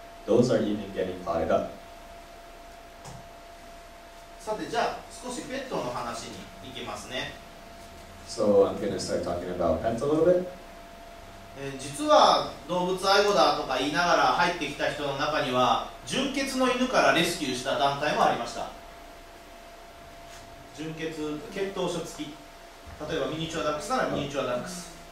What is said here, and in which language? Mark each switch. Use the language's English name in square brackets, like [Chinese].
[English] Those are even getting clogged up. [Japanese] さてじゃあ少しペットの話に行きますね。 [English] So I'm going to start talking about pets a little bit. [Japanese] 実は動物愛護だとか言いながら入ってきた人の中には純血の犬からレスキューした団体もありました。純血、血統書付き。例えばミニチュアダックスならミニチュアダックス。